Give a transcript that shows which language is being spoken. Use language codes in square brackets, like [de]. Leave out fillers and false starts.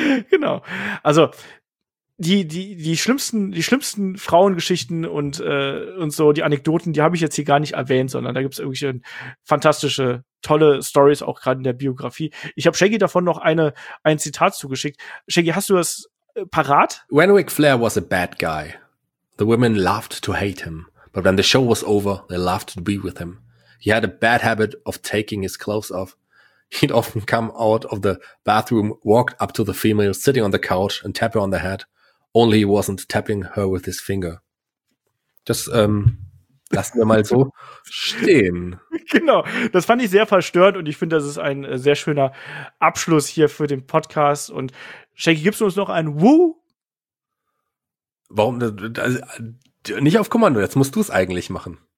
[de] Genau, also die schlimmsten Frauengeschichten und so, die Anekdoten, die habe ich jetzt hier gar nicht erwähnt, sondern da gibt's irgendwelche fantastische, tolle Stories auch gerade in der Biografie. Ich habe Shaggy davon noch ein Zitat zugeschickt. Shaggy, hast du das parat? [en] When Ric Flair was a bad guy, the women loved to hate him. But when the show was over, they loved to be with him. He had a bad habit of taking his clothes off. He'd often come out of the bathroom, walked up to the female sitting on the couch and tap her on the head. Only he wasn't tapping her with his finger. [de] Das lassen wir mal so stehen. Genau, das fand ich sehr verstörend und ich finde, das ist ein sehr schöner Abschluss hier für den Podcast. Und Shaggy, gibst du uns noch einen Woo? Warum? Nicht auf Kommando, jetzt musst du es eigentlich machen.